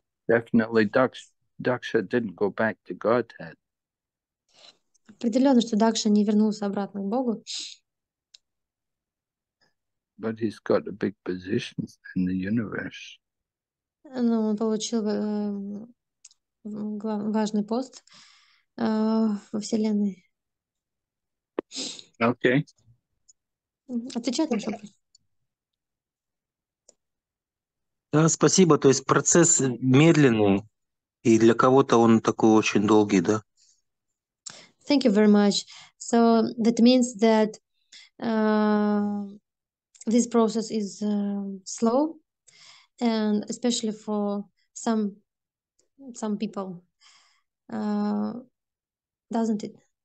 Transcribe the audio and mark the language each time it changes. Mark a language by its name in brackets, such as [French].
[English] Definitely, Daksha didn't go back to Godhead. [Russian] Определенно, что Дакша не вернулся обратно к Богу. [English] But he's got a big position in the universe. [Russian] Но он получил важный пост во Вселенной. [English] Okay. [Russian] Отвечает на ваш вопрос. Да, спасибо. То есть процесс медленный, и для кого-то он такой очень долгий, да? [English] Thank you very much. So that means that this process is slow, and especially for some people, doesn't it?